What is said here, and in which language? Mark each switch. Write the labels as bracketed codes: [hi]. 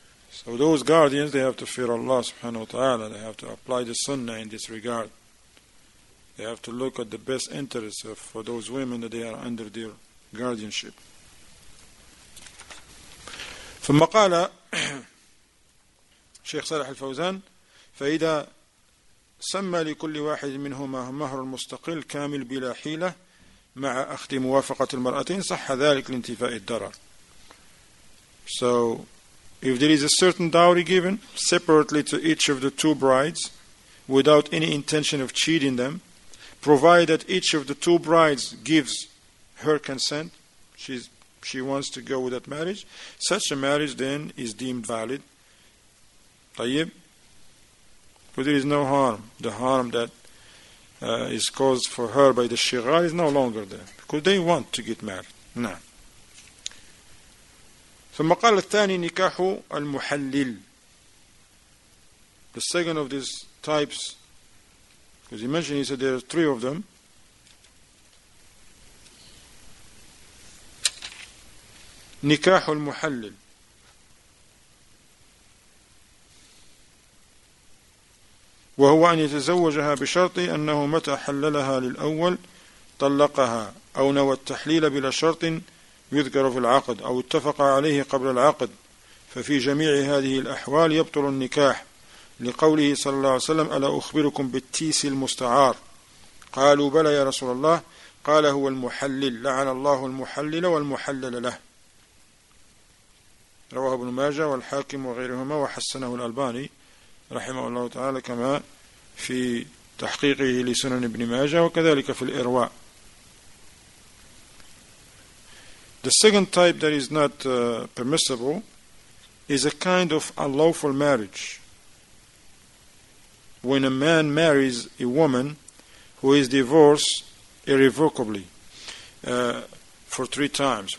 [en] So those guardians, they have to fear Allah subhanahu wa ta'ala. They have to apply the sunnah in this regard. They have to look at the best interests for those women that they are under their guardianship. [ar] ثم قال شيخ صالح الفوزان فإذا سمى لكل واحد منهما مهر المستقل كامل بلا حيلة مع أخذ موافقة المرأتين صح ذلك لانتفاء الضرر. [en] So if there is a certain dowry given separately to each of the two brides without any intention of cheating them, provided each of the two brides gives her consent, she wants to go with that marriage, such a marriage then is deemed valid. [ar] طيب. [en] But there is no harm. The harm that is caused for her by the shighar is no longer there. Because they want to get married. [ar] نعم. ثم قال الثاني نكاح المحلل. [en] The second of these types, because he mentioned, he said there are three of them. [ar] نكاح المحلل. وهو أن يتزوجها بشرط أنه متى حللها للأول طلقها أو نوى التحليل بلا شرط يذكر في العقد أو اتفق عليه قبل العقد ففي جميع هذه الأحوال يبطل النكاح لقوله صلى الله عليه وسلم ألا أخبركم بالتيس المستعار قالوا بلى يا رسول الله قال هو المحلل لعن الله المحلل والمحلل له رواه ابن ماجه والحاكم وغيرهما وحسنه الألباني رحمه الله تعالى كما في تحقيقه لسنن ابن ماجة وكذلك في الإرواء. [en] The second type that is not permissible is a kind of unlawful marriage when a man marries a woman who is divorced irrevocably for three times.